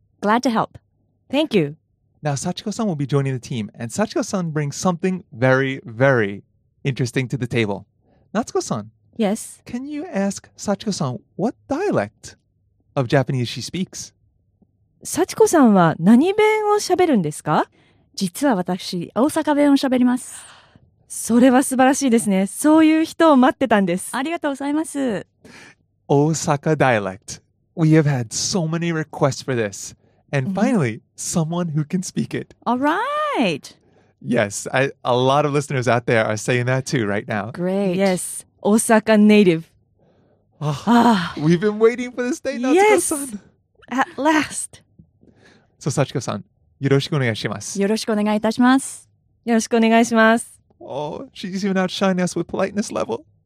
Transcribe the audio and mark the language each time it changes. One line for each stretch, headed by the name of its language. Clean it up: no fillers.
English: Glad to help. Thank you. Now, Sachiko-san will be joining the team. And Sachiko-san brings something very, very interesting to the table. Natsuko-san. Yes. Can you ask Sachiko-san what dialect of Japanese she speaks?
Japanese: Sachiko-san は何弁を喋るんですか? 実は私、大阪弁を喋ります。それは素晴らしいですね。そういう人を待ってたんです。ありがとうございます。
English: Osaka dialect. We have had so many requests for this. And finally, someone who can speak it. All right. Yes, a lot of listeners out there are saying that too right now. Great. Yes, Osaka native. We've been waiting for this day, Natsuko-san. Yes, at last.
Japanese: So, Sachiko-san, よろしくお願いします。よろしくお願いいたします。よろしくお願いします。
English: Oh, she's even outshining us with politeness level.